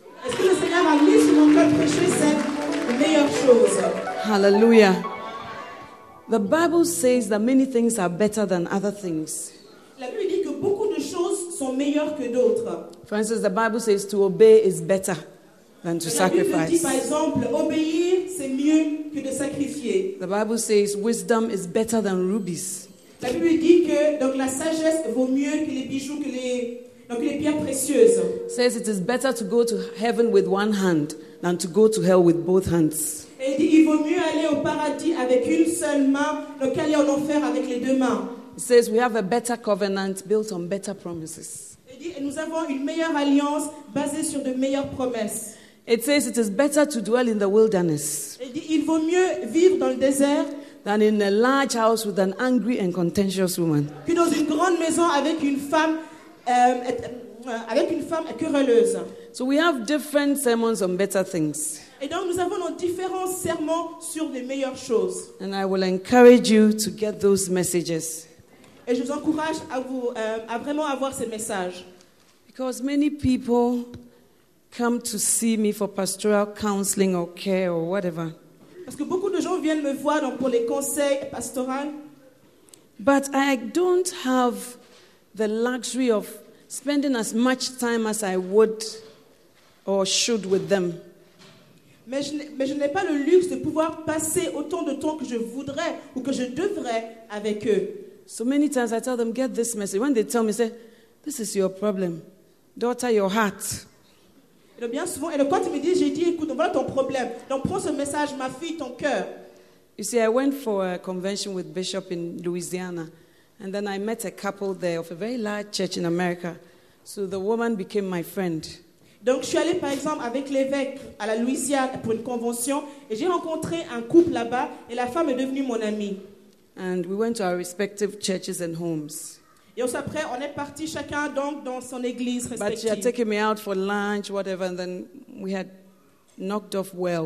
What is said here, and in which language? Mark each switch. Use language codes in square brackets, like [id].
[en] Hallelujah. The Bible says that many things are better than other things. For instance, the Bible says to obey is better than to sacrifice. [fr] Dit, par exemple, obéir, c'est mieux que de sacrifier. [en] The Bible says wisdom is better than rubies. [fr] La Bible dit que donc la sagesse vaut mieux que les bijoux, que les pierres précieuses. [en] Says it is better to go to heaven with one hand than to go to hell with both hands. [fr] Et dit il vaut mieux aller au paradis avec une seule main que qu'aller en enfer avec les deux mains. [en] It says we have a better covenant built on better promises. [fr] Et nous avons une meilleure alliance basée sur de meilleures promesses. [en] It says it is better to dwell in the wilderness. [fr] Et dit, il vaut mieux vivre dans le désert [en] than in a large house with an angry and contentious woman. [fr] Que dans une grande maison avec une femme querelleuse. [en] So we have different sermons on better things. [fr] Et donc nous avons nos différents sermons sur les meilleures choses. [en] And I will encourage you to get those messages. [fr] Et je vous encourage à vous à vraiment avoir ces messages. [en] Because many people come to see me for pastoral counseling or care or whatever. [fr] Parce que beaucoup de gens viennent me voir donc pour les conseils pastoraux. [en] But I don't have the luxury of spending as much time as I would or should with them. [fr] Mais je n'ai pas le luxe de pouvoir passer autant de temps que je voudrais ou que je devrais avec eux. [en] So many times I tell them, get this message. When they tell me, say, this is your problem. Daughter, your heart. [fr] Et bien souvent, et quand ils me disent, j'ai dit, écoute, voilà ton problème. Donc prends ce message, ma fille, ton cœur. [en] You see, I went for a convention with Bishop in Louisiana. And then I met a couple there of a very large church in America. So the woman became my friend. [fr] Donc je suis allée, par exemple, avec l'évêque à la Louisiane pour une convention. Et j'ai rencontré un couple là-bas. Et la femme est devenue mon amie. [en] And we went to our respective churches and homes. [fr] Et aussi après, on est parti chacun donc dans son église respective. [en] But she had taken me out for lunch, whatever, and then we had knocked off well.